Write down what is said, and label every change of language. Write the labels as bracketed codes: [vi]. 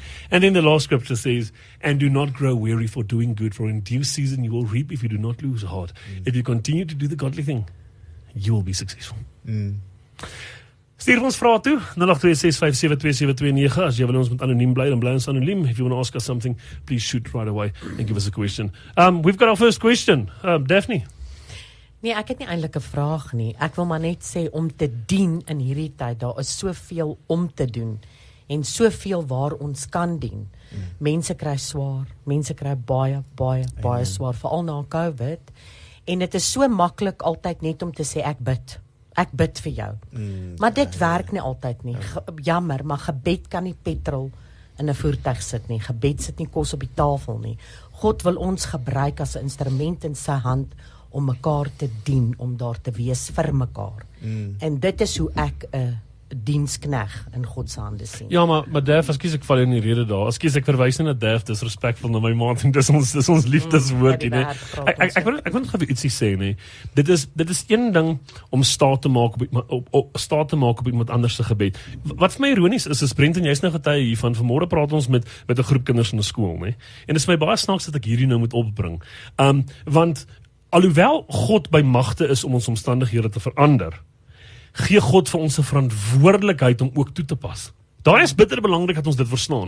[en] And then the last scripture says, and do not grow weary for doing good, for in due season you will reap if you do not lose heart. Mm. If you continue to do the godly thing, you will be successful. Mm. [af] Stuur ons vraag toe, 0826572729. As jy wil ons met anoniem bly, dan bly ons anoniem. [en] If you want to ask us something, please shoot right away and give us a question. We've got our first question. Daphne. [af] Nee, ek het nie eintlik 'n vraag nie. Ek wil maar net sê om te dien in hierdie tyd, daar is soveel om te doen en soveel waar ons kan dien. Mm. Mense kry swaar, mense kry baie swaar, veral na COVID. En dit is so maklik altyd net om te sê ek bid. Ek bid vir jou. Mm. Maar dit werk nie altyd nie. Jammer, maar gebed kan nie petrol in 'n voertuig sit nie. Gebed sit nie kos op die tafel nie. God wil ons gebruik as 'n instrument in sy hand om mekaar te dien, om daar te wees vir mekaar. Mm. En dit is hoe ek 'n dienskneg in God se hande sien. Ja, maar Daf, excuse, ek val in die rede daar. Excuse, ek verwys nie na Daf, dis respectful na my maat, en dis ons liefdeswoordie, nee. Ek wil gou ietsie sê, nee. Dit is een ding om staat te maak op iemand anders se gebed. Wat vir my ironies is Brenton, jy's nou getuie hiervan. Vanmôre praat ons met 'n groep kinders in 'n skool, nee. En dit is my baie snaaks dat ek hierdie nou moet opbring. Want alhoewel God by magte is om ons omstandighede te verander, gee God vir ons 'n verantwoordelikheid om ook toe te pas. Daar is bitter belangrik dat ons dit verstaan.